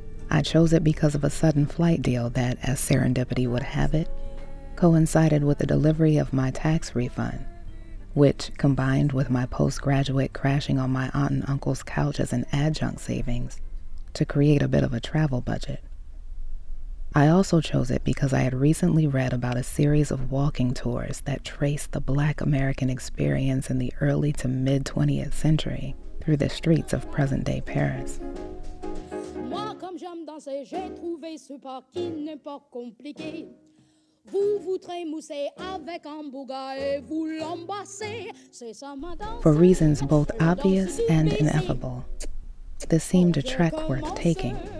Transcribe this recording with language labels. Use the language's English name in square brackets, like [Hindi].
[English] I chose it because of a sudden flight deal that, as serendipity would have it, coincided with the delivery of my tax refund, which, combined with my postgraduate crashing on my aunt and uncle's couch as an adjunct savings, to create a bit of a travel budget. I also chose it because I had recently read about a series of walking tours that traced the Black American experience in the early to mid 20th century through the streets of present-day Paris. [French] Moi, comme j'aime danser, j'ai trouvé ce pas qui n'est pas compliqué. Vous vous trémoussez avec un bouga et vous l'embrassez. C'est ça, madame. [English] For reasons both obvious and ineffable, this seemed a trek worth taking.